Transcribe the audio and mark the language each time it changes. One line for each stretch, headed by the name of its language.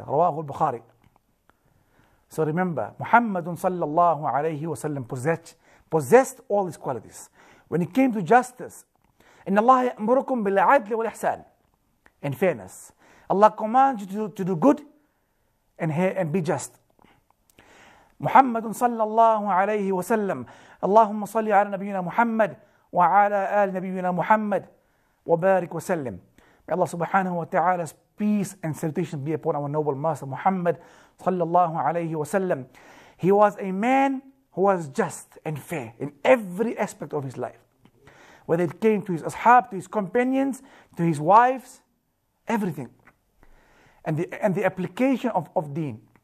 English: Rawahu al-Bukhari. So remember, Muhammadun sallallahu alayhi wa sallam possessed all these qualities. When it came to justice,
Arabic: إِنَّ اللَّهَ يَأْمُرُكُمْ بِالْعَدْلِ وَالْإِحْسَانِ.
English: In fairness, Allah commands you to do good and be just.
Arabic: محمد صلى الله عليه وسلم اللهم صل على نبينا محمد وعلى آل نبينا محمد وبارك وسلم.
English: May Allah
Arabic: سبحانه وتعالى
English: peace and salutation be upon our noble master Muhammad
Arabic: صلى الله عليه وسلم.
English: He was a man who was just and fair in every aspect of his life, whether it came to his ashab, to his companions, to his wives, everything, and the application of deen.